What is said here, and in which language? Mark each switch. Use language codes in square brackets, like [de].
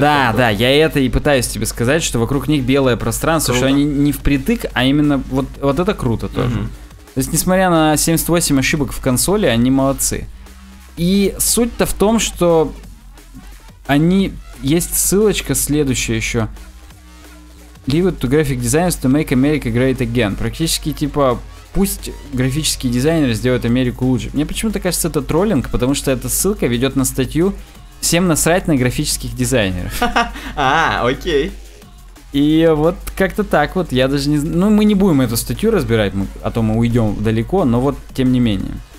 [ru] Да, да, я это и пытаюсь тебе сказать, что вокруг них белое пространство, круто. Что они не впритык, а именно вот, вот это круто тоже. То есть несмотря на 78 ошибок в консоли, они молодцы. И суть-то в том, что они... Есть ссылочка следующая еще. [en] Leave it to graphic designers to make America great again. [ru] Практически, типа, пусть графические дизайнеры сделают Америку лучше. Мне почему-то кажется, это троллинг, потому что эта ссылка ведет на статью «Всем насрать на графических дизайнеров». А, окей. И вот как-то так вот, я даже не знаю, ну мы не будем эту статью разбирать, а то мы уйдем далеко, но вот тем не менее.